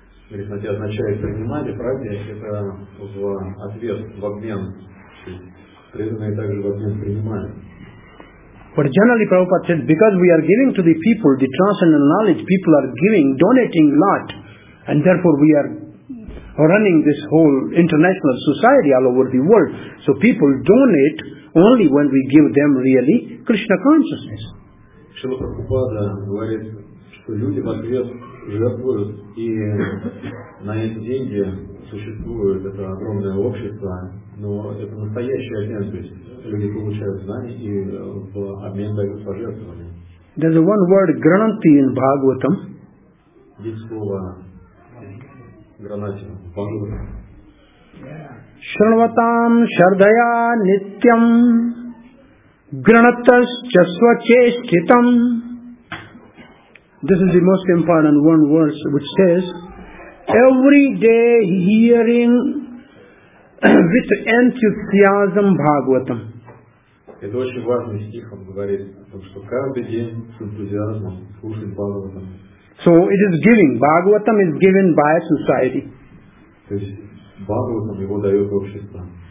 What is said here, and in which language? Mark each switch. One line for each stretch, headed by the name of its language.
Russian: Грахнати означает принимать, и прати это в ответ, в обмен. Преданные также в обмен принимают.
English: But generally Prabhupada said, because we are giving to the people the transcendental knowledge, people are giving, donating lot, and therefore we are running this whole international society all over the world. So people donate only when we give them really Krishna consciousness.
Russian: Шрила Прабхупада говорит, что люди в ответ жертвуют, и на эти деньги существует это огромное общество, но это настоящий обмен, то есть люди получают знания и в обмен дают пожертвования.
English: There's one word granati in Bhagavatam.
Russian: Есть слово granati в Бхагаватам.
Sanskrit: Shrinvatam shardaya nityam granatas chasvacheshtitam.
English: This is the most important one verse which says, every day hearing with enthusiasm Bhagavatam.
Russian: Это очень важный стих, он говорит, что каждый день с энтузиазмом слушать Бхагаватам.
English: So it is giving. Bhagavatam is given by society.
Russian: Бхагаватам его дает общество.